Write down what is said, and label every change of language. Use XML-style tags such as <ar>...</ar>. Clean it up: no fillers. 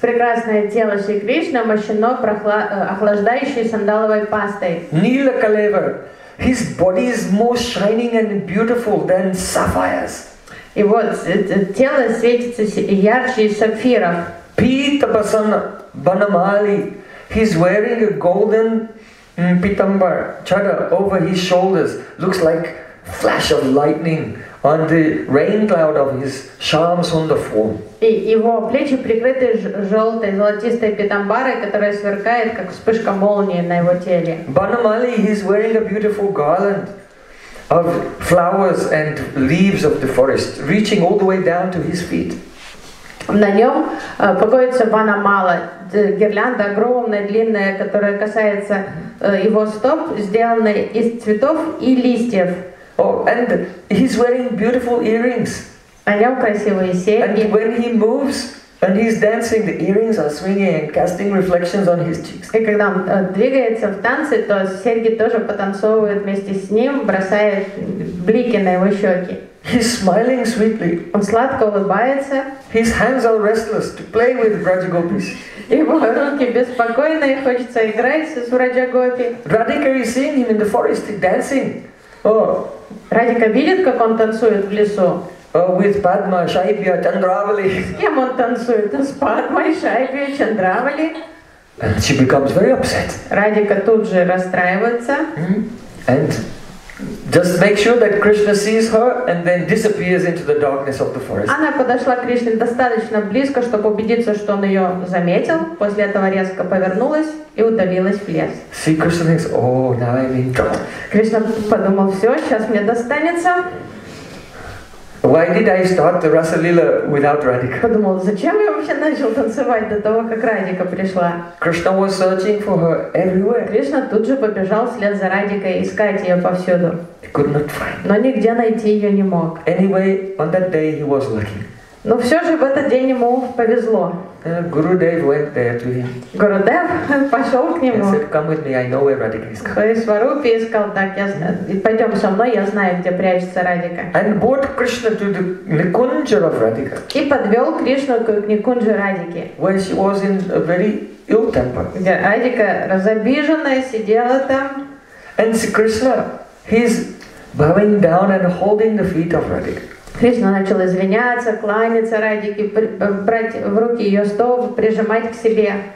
<ru>Прекрасное тело Шри Кришны омощено охлаждающей сандаловой пастой.</ru> <en>Nila Kalevar, his body is more shining and beautiful than sapphires.</en> <ru>И вот тело светится ярче сапфиров.</ru> <en>Pita Basana Banamali, he's wearing a golden pitambar chadar over his shoulders. Looks like flash of lightning on the rain cloud of his charms on the form.</en> <ru>И его плечи прикрыты желтой золотистой питамбарой, которая сверкает как вспышка молнии на его теле.</ru> <en>Banamali, he's wearing a beautiful garland of flowers and leaves of the forest, reaching all the way down to his feet.</en> <ru>На нем покоится Банамала, гирлянда огромная, длинная, которая касается его стоп, сделанная из цветов и листьев.</ru> <en>Oh, and he's wearing beautiful earrings.</en> <ru>На нём красивые серьги.</ru> <en>And when he moves and he's dancing, the earrings are swinging and casting reflections on his cheeks.</en> <ru>И когда он двигается в танце, то серьги тоже потанцовывают вместе с ним, бросая блики на его щёки.</ru> <en>He's smiling sweetly.</en> <ru>Он сладко улыбается.</ru> <en>His hands are restless to play with Vrajagopis.</en> <ru>Его руки беспокойные, хочется играть с Vrajagopi.</ru> <en>Radhika is seeing him in the forest dancing. Oh,</en> <ru>Radhika видит, как он танцует в лесу.</ru> <en>With Padma, Shaibya, Chandravali.</en> <ru>С кем он танцует? С Padmai, Shaibya, Chandravali.</ru> <en>And she becomes very upset.</en> <ru>Radhika тут же расстраивается.</ru> <en>And just make sure that Krishna sees her and then disappears into the darkness of the forest.</en> <ru>Она подошла к Кришне достаточно близко, чтобы убедиться, что он ее заметил. После этого резко повернулась и удалилась в лес.</ru> <en>See, Krishna thinks, oh, now I'm in trouble.</en> <ru>Кришна подумал, все, сейчас мне достанется.</ru> <en>Why did I start the Rasa Lila without Radhika?</en> <ru>Подумал, зачем я вообще начал танцевать до того, как Радика пришла?</ru> <en>Krishna was searching for her everywhere.</en> <ru>Кришна тут же побежал вслед за Радикой искать ее повсюду.</ru> <en>He could not find.</en> <ru>Но нигде найти ее не мог.</ru> <en>Anyway, on that day he was lucky.</en> <ru>Но все же в этот день ему повезло.</ru> <en>Guru Dev went there to him.</en> <ru>Guru Dev пошел к нему.</ru> <en>He said, "Come with me. I know where Radhika is."</en> <ru>Свароп искал, так я знаю. Пойдем со мной, я знаю, где прячется Радика.</ru> <en>And brought Krishna to the Nikunja of Radhika.</en> <ru>И подвел Кришну к Никунджу Радики.</ru> <en>When she was in a very ill temper.</en> <ru>Где Радика разобиженная сидела там.</ru> <en>And see Krishna, he's bowing down and holding the feet of Radhika.</en> <ru>Кришна начал извиняться, кланяться Радике, брать в руки ее стоп, прижимать к себе.</ru>